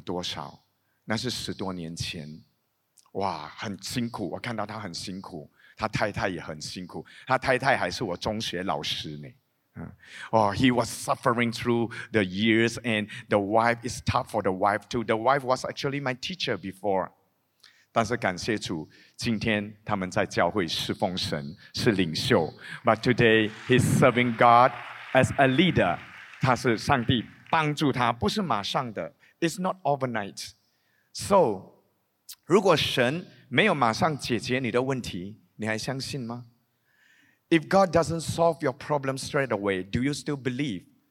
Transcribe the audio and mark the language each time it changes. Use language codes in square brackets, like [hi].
[zh] 是我的心,不是我的债务有多少。那是10多年前。哇,很辛苦,我看到他很辛苦,他太太也很辛苦,他太太还是我中学老师呢。 [en] Oh, he was suffering through the years and the wife, it's tough for the wife too. The wife was actually my teacher before. [zh] 但是感谢主,今天他们在教会侍奉神,是领袖。 [en] But today, he's serving God as a leader. [zh] 他是上帝帮助他,不是马上的, [en] it's not overnight. [zh] So, 如果神没有马上解决你的问题,你还相信吗? [en] If God doesn't solve your problem straight away, do you still believe?